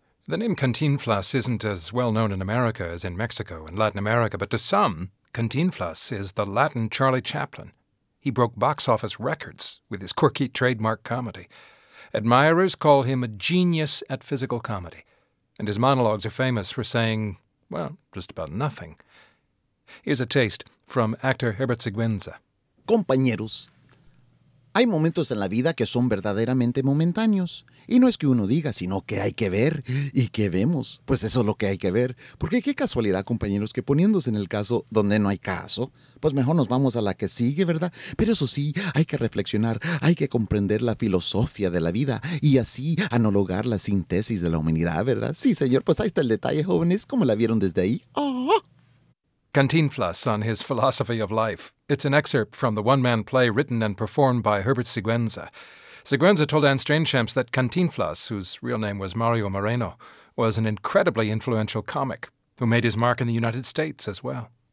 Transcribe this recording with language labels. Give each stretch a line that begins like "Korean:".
English: The name Cantinflas isn't as well known in America as in Mexico and Latin America, but to some, Cantinflas is the Latin Charlie Chaplin. He broke box office records with his quirky trademark comedy. Admirers call him a genius at physical comedy, and his monologues are famous for saying, well, just about nothing. Here's a taste from actor Herbert Siguenza.
Spanish: Compañeros, hay momentos en la vida que son verdaderamente momentáneos. Y no es que uno diga, sino que hay que ver. ¿Y qué vemos? Pues eso es lo que hay que ver. Porque qué casualidad, compañeros, que poniéndose en el caso donde no hay caso, pues mejor nos vamos a la que sigue, ¿verdad? Pero eso sí, hay que reflexionar, hay que comprender la filosofía de la vida y así analogar la síntesis de la humanidad, ¿verdad? Sí, señor, pues ahí está el detalle, jóvenes. ¿Cómo la vieron desde ahí? ¡Oh!
English: Cantinflas on his philosophy of life. It's an excerpt from the one-man play written and performed by Herbert Siguenza. Siguenza told Anne Strainchamps that Cantinflas, whose real name was Mario Moreno, was an incredibly influential comic who made his mark in the United States as well.